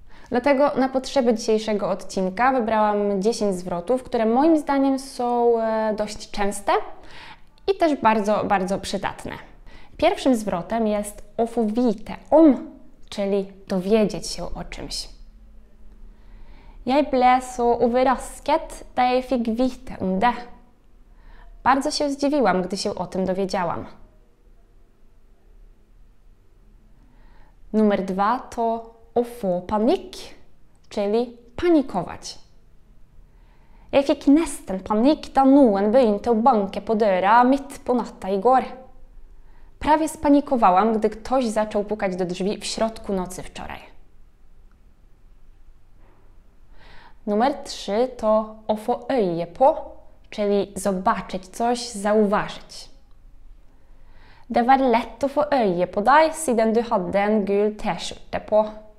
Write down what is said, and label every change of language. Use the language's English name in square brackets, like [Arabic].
[Polish] Dlatego na potrzeby dzisiejszego odcinka wybrałam 10 zwrotów, które moim zdaniem są dość częste i też bardzo, bardzo przydatne. Pierwszym zwrotem jest ofowite, om, czyli dowiedzieć się o czymś. [Norwegian] Jeg ble så overrasket da jeg fikk vite om det. [Polish] Bardzo się zdziwiłam, gdy się o tym dowiedziałam. Numer 2 to ofo panik, czyli panikować. [Norwegian] Jeg fikk nesten panikk da noen begynte å banke på døra midt på natta i går. [Polish] Prawie spanikowałam, gdy ktoś zaczął pukać do drzwi w środku nocy wczoraj. Numer 3 to ofo øye på, czyli zobaczyć coś, zauważyć. [Norwegian] Det var lett å få øye på deg siden du hadde en gul t-skjorte på.